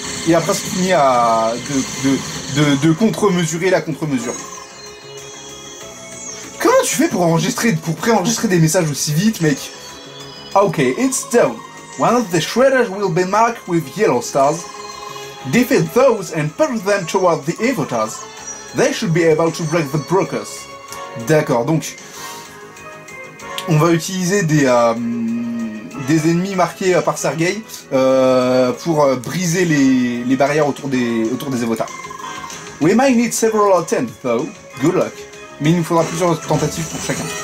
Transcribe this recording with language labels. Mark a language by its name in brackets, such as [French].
[French] Il a presque fini à de contre-mesurer la contre-mesure. Comment tu fais pour pré-enregistrer des messages aussi vite, mec? [English] Ok, it's done. One of the shredders will be marked with yellow stars. Defeat those and push them toward the Evotars. They should be able to break the brokers. [French] D'accord, donc on va utiliser des ennemis marqués par Sergei pour briser les barrières autour des Evotars. [English] We might need several attempts though. Good luck. [French] Mais il nous faudra plusieurs tentatives pour chacun.